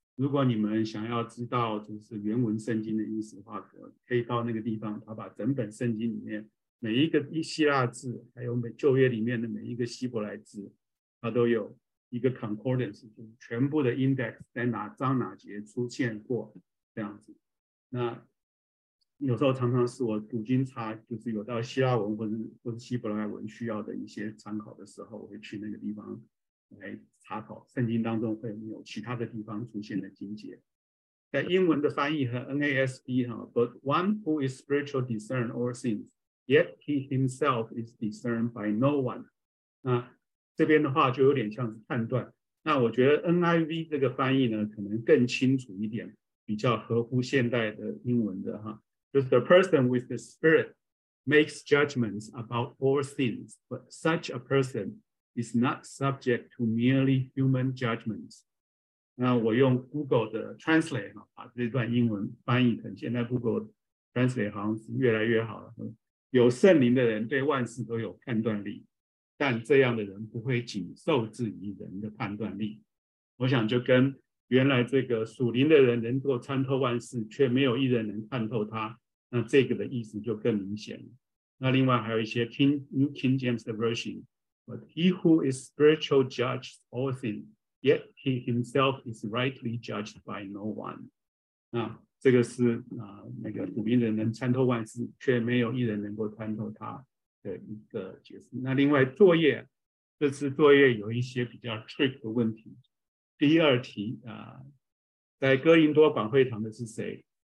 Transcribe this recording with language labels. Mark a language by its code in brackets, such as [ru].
[zh] 如果你们想要知道就是原文圣经的意思的话，可以到那个地方，他把整本圣经里面每一个希腊字，还有旧约里面的每一个希伯来字，他都有一个 concordance， 就是全部的 index 在哪章哪节出现过，这样子。那有时候常常是我读经查，就是有到希腊文或是希伯来文需要的一些参考的时候，我会去那个地方来查考。圣经当中会没有其他的地方出现的经节。在英文的翻译和 [en] NASB， But one who is spiritual discern all things, yet he himself is discerned by no one。 [zh] 那这边的话就有点像是判断，那我觉得 NIV 这个翻译呢可能更清楚一点，比较合乎现代的英文的哈，就是 [en] the person with the spirit makes judgments about all things, but such a person is not subject to merely human judgments。 [zh] 那我用 Google 的 Translate 把这段英文翻译成，现在 Google Translate 好像是越来越好了，有圣灵的人对万事都有判断力，但这样的人不会仅受制于人的判断力。我想就跟原来这个属灵的人能够参透万事，却没有一人能看透他，那这个的意思就更明显了。那另外还有一些 [en] New King James Version， But he who is spiritual judges all things, yet he himself is rightly judged by no one。 [zh] 那这个是那个属灵的人能参透万事，却没有一人能够参透他的一个解释。那另外作业，这次作业有一些比较 trick 的问题。第二题在哥林多广会堂的是谁？